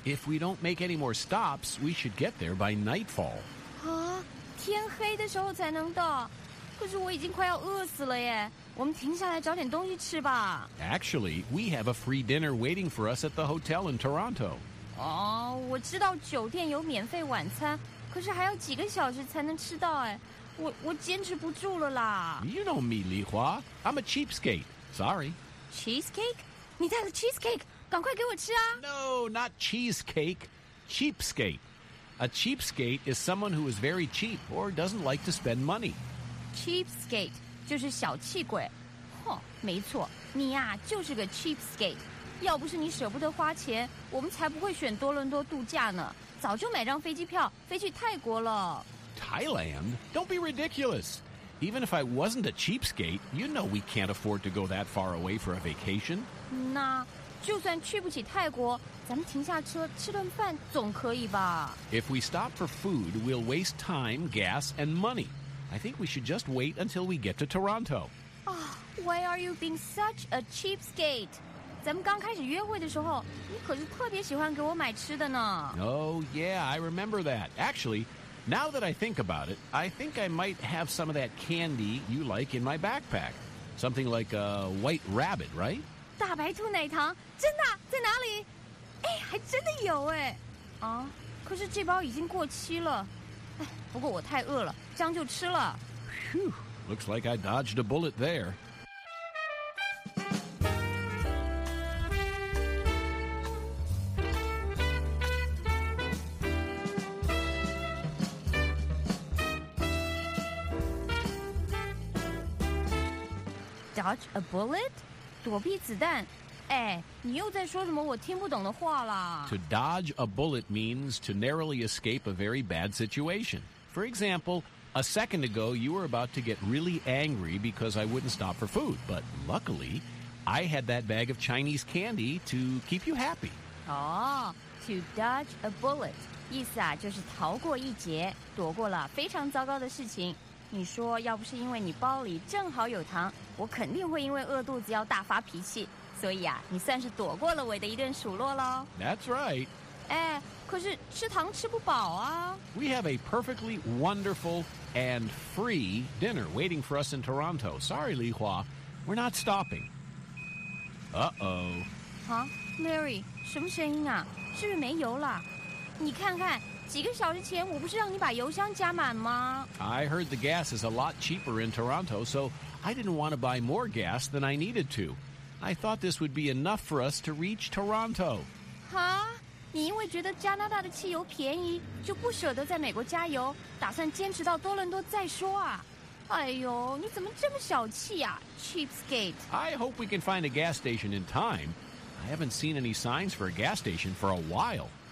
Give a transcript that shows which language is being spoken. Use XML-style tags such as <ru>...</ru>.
<en>？If we don't make any more stops, we should get there by nightfall.</en> <zh>啊，天黑的时候才能到，可是我已经快要饿死了耶。我们停下来找点东西吃吧。</zh> <en>Actually, we have a free dinner waiting for us at the hotel in Toronto.</en> <zh>哦，我知道酒店有免费晚餐，可是还要几个小时才能吃到哎，我坚持不住了啦。</zh> <en>You know me, Li Hua. I'm a cheapskate. Sorry.</en> <zh>Cheesecake? 你带了 cheesecake? 赶快给我吃啊。</zh> <en>No, not cheesecake. Cheapskate. A cheapskate is someone who is very cheap or doesn't like to spend money.</en> <zh>Cheapskate. 就是小气鬼，哼，没错，你呀、啊、就是个 cheapskate。要不是你舍不得花钱，我们才不会选多伦多度假呢，早就买张飞机票飞去泰国了。</zh> <en>Thailand? Don't be ridiculous. Even if I wasn't a cheapskate, you know we can't afford to go that far away for a vacation.</en> <zh>那就算去不起泰国，咱们停下车吃顿饭总可以吧</zh> <en>？If we stop for food, we'll waste time, gas, and money. I think we should just wait until we get to Toronto. Oh, why are you being such a cheapskate?</en> <zh>咱们刚开始约会的时候，你可是特别喜欢给我买吃的呢。</zh> <en>Oh, yeah, I remember that. Actually, now that I think about it, I think I might have some of that candy you like in my backpack. Something like a white rabbit, right?</en> <zh>大白兔奶糖，真的，在哪里？哎，还真的有哎。啊，可是这包已经过期了。哎，不过我太饿了，这样就吃了。</zh> <en>Phew, looks like I dodged a bullet there. Dodge a bullet?</en> <zh>躲避子弹？哎，你又在说什么我听不懂的话了。</zh> <en>To dodge a bullet means to narrowly escape a very bad situation. For example, a second ago, you were about to get really angry because I wouldn't stop for food. But luckily, I had that bag of Chinese candy to keep you happy. Oh, to dodge a bullet.</en> <zh>意思啊，就是逃过一劫，躲过了非常糟糕的事情。你说要不是因为你包里正好有糖，我肯定会因为饿肚子要大发脾气。所以啊，你算是躲过了我的一顿数落了。</zh> <en>That's right.</en> <zh>哎，可是吃糖吃不饱啊。</zh> <en>We have a perfectly wonderful and free dinner waiting for us in Toronto. Sorry, Li Hua, we're not stopping. Uh-oh.</en> <zh>Huh? Mary, 什么声音啊？是不是没油了？你看看。几个小时前我不是让你把油箱加满吗</zh> <en>I heard the gas is a lot cheaper in Toronto, so I didn't want to buy more gas than I needed to. I thought this would be enough for us to reach Toronto. Huh?</en> <zh>你因为觉得加拿大的汽油便宜就不舍得在美国加油打算坚持到多伦多再说啊哎呦你怎么这么小气啊 Cheapskate.</zh> <en>I hope we can find a gas station in time. I haven't seen any signs for a gas station for a while.</en>